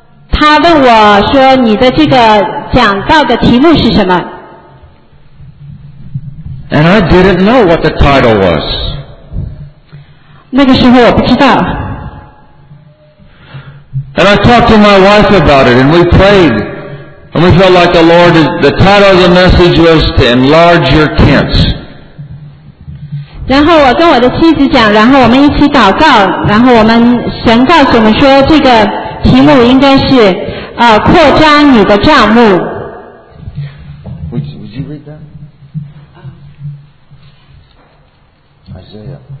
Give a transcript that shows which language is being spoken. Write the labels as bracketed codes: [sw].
[zh] 他问我说，你的这个讲道的题目是什么？ [en] And I didn't know what the title was. [zh] 那个时候我不知道。 [en] And I talked to my wife about it, and we prayed, and we felt like the Lord, the title of the message was to enlarge your tents. [zh] 然后我跟我的妻子讲，然后我们一起祷告，然后我们神告诉我们说，这个题目应该是扩张你的帐幕。 [en] Would you read that? Isaiah.